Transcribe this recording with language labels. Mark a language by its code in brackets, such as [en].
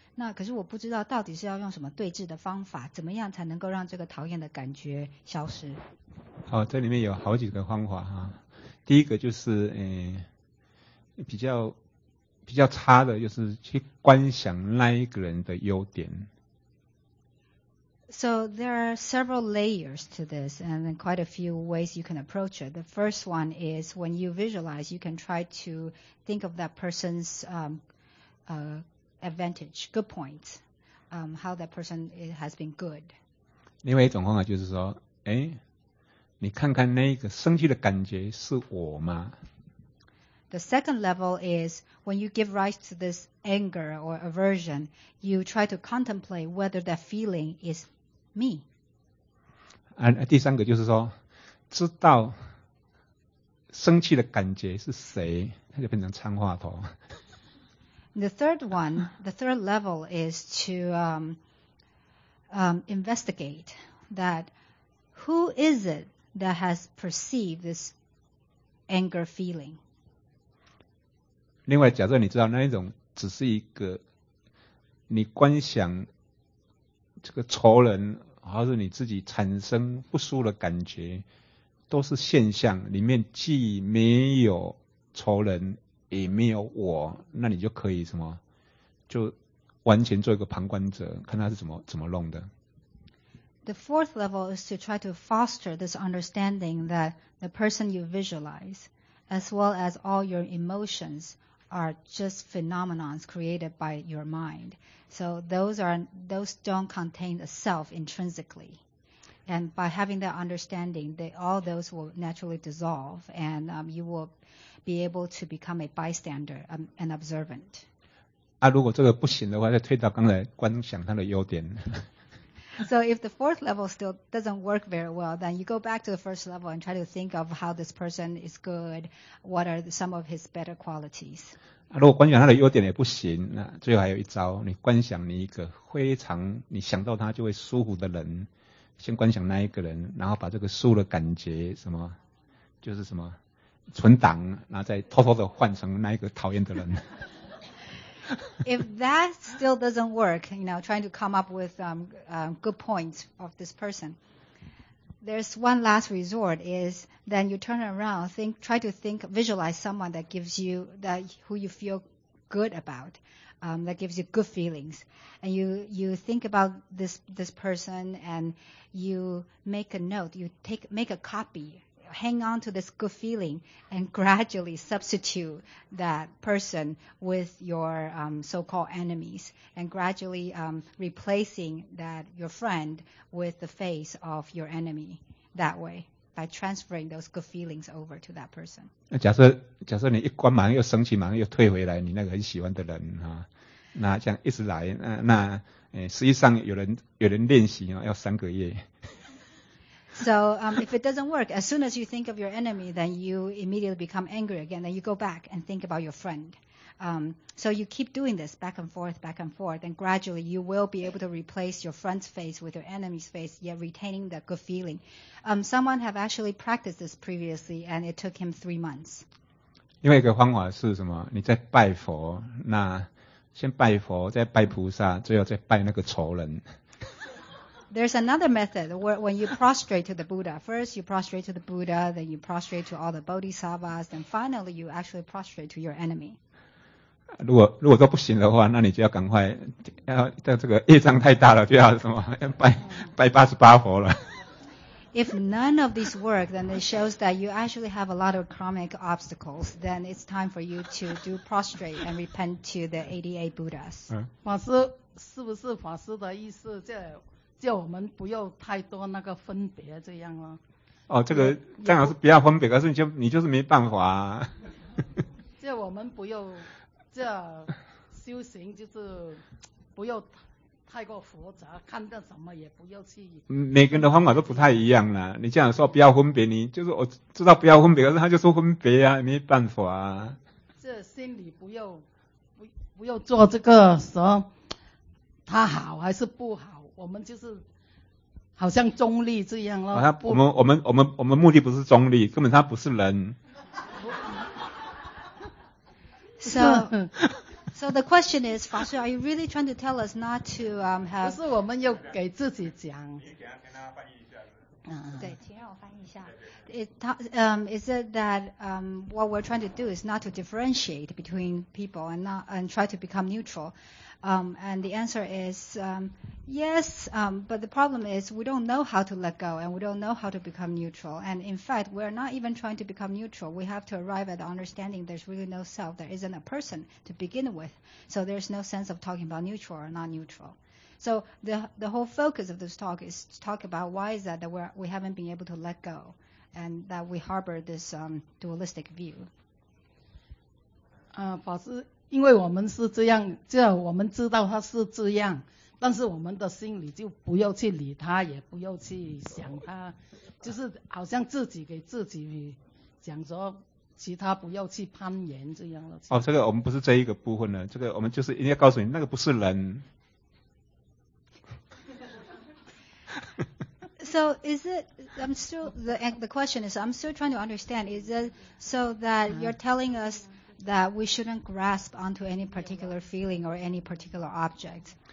[zh] 那可是我不知道到底是要用什么对治的方法，怎么样才能够让这个讨厌的感觉消失？好，这里面有好几个方法哈。第一个就是比较差的，就是去观想那一个人的优点。 [en] So there are several layers to this and quite a few ways you can approach it. The first one is when you visualize, you can try to think of that person's advantage, good points, how that person has been good. [zh] 另外一种方法就是说，你看看那个生气的感觉是我吗？ [en] The second level is when you give rise to this anger or aversion, you try to contemplate whether that feeling is me. [zh] 第三个就是说，知道生气的感觉是谁，它就变成参话头。 [en] The third one, the third level is to investigate that who is it that has perceived this anger feeling. [zh] 另外，假设你知道那一种只是一个你观想这个仇人。或是你自己产生不舒服的感觉，都是现象，里面既没有仇人，也没有我，那你就可以什么，就完全做一个旁观者，看他是怎么弄的。 [en] The fourth level is to try to foster this understanding that the person you visualize, as well as all your emotions, are just phenomena created by your mind. So those don't contain a self intrinsically. And by having that understanding, all those will naturally dissolve and you will be able to become a bystander, an observant. [zh] 如果这个不行的话，再推到刚才观想它的优点。 [en] So if the fourth level still doesn't work very well, then you go back to the first level and try to think of how this person is good, what are some of his better qualities. [zh] 如果观想他的优点也不行，那最后还有一招，你观想你一个非常你想到他就会舒服的人，先观想那一个人，然后把这个舒服的感觉什么，就是什么存档，然后再偷偷的换成那一个讨厌的人。 [en] If that still doesn't work, you know, trying to come up with good points of this person, there's one last resort is. Then you turn around, try to visualize someone that gives you who you feel good about, that gives you good feelings, and you think about this person and you make a note, make a copy, hang on to this good feeling, and gradually substitute that person with your so-called enemies, and gradually replacing that your friend with the face of your enemy that way. By transferring those good feelings over to that person. [zh] 假设你一关马上又生气，马上又退回来，你那个很喜欢的人哈，那这样一直来，那实际上有人练习啊，要三个月。 [en] So if it doesn't work, as soon as you think of your enemy, then you immediately become angry again. Then you go back and think about your friend. So you keep doing this back and forth, and gradually you will be able to replace your friend's face with your enemy's face, yet retaining the good feeling. Someone have actually practiced this previously, and it took him 3 months. [zh] 另外一个方法是什么？你在拜佛，那先拜佛，再拜菩萨，最后再拜那个仇人。 [en] There's another method where when you prostrate to the Buddha, first you prostrate to the Buddha, then you prostrate to all the bodhisattvas, and finally you actually prostrate to your enemy. [zh] 如果都不行的话，那你就要赶快要在这个业障太大了，就要什么要拜八十八佛了。 [en] If none of these work, then it shows that you actually have a lot of karmic obstacles. Then it's time for you to do prostrate and repent to the 88 Buddhas. [zh] 法师是不是法师的意思叫我们不要太多那个分别这样啊？哦，这个当然是不要分别，可是你就是没办法、啊。叫我们不要。这修行就是不要太过复杂，看到什么也不要去。每个人的方法都不太一样啦。你这样说不要分别，你就是我知道不要分别，可是他就说分别啊，没办法啊。这心里不要做这个说他好还是不好，我们就是好像中立这样咯。我们目的不是中立，根本他不是人。 [en] So the question is, Fa Shi, are you really trying to tell us not to have... [zh] 不是我们要给自己讲。对，请让我翻译一下。 [en] Is it that what we're trying to do is not to differentiate between people and try to become neutral? And the answer is yes, but the problem is we don't know how to let go and we don't know how to become neutral. And in fact, we're not even trying to become neutral. We have to arrive at the understanding there's really no self, there isn't a person to begin with. So there's no sense of talking about neutral or non-neutral. So the whole focus of this talk is to talk about why is that we haven't been able to let go and that we harbor this dualistic view. [zh] 法师，因为我们是这样，就我们知道它是这样，但是我们的心里就不要去理它，也不要去想它，就是好像自己给自己讲说其他不要去攀岩这样的。哦，这个我们不是这一个部分的，这个我们就是应该告诉你，那个不是人。 [en] So is it, I'm still, the question is, I'm still trying to understand, is it so that you're telling us that we shouldn't grasp onto any particular feeling or any particular object?